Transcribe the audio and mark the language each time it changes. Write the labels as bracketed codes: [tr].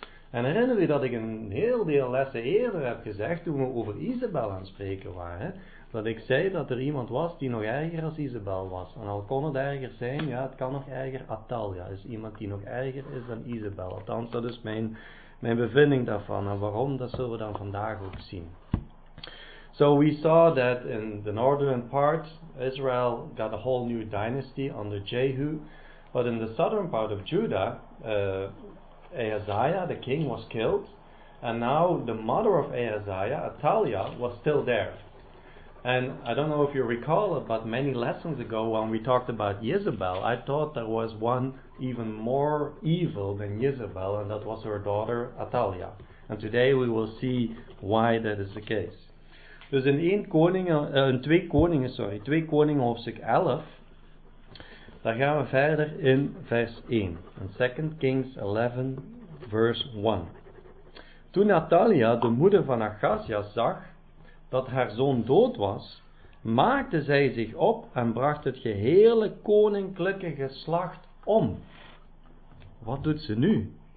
[nl] En herinner je dat ik een heel deel lessen eerder heb gezegd, toen we over Isabel aan het spreken waren, dat ik zei dat er iemand was die nog erger als Isabel was. En al kon het erger zijn, ja, het kan nog erger. Atalia is iemand die nog erger is dan Isabel. Althans, dat is mijn bevinding daarvan. En waarom, dat zullen we dan vandaag ook zien. [en] So we saw that in the northern part, Israel got a whole new dynasty under Jehu. But in the southern part of Judah, Ahaziah, the king, was killed. And now the mother of Ahaziah, Atalia, was still there. And I don't know if you recall it, but many lessons ago when we talked about Jezebel, I thought there was one even more evil than Jezebel, and that was her daughter Atalia. And today we will see why that is the case. [nl] Dus in 2 Koningen hoofdstuk 11, daar gaan we verder in vers 1. [en] In 2 Kings 11, verse 1. [nl] Toen Atalia, de moeder van Achazia, zag dat haar zoon dood was, maakte zij zich op en bracht het gehele koninklijke geslacht om. Wat doet ze nu?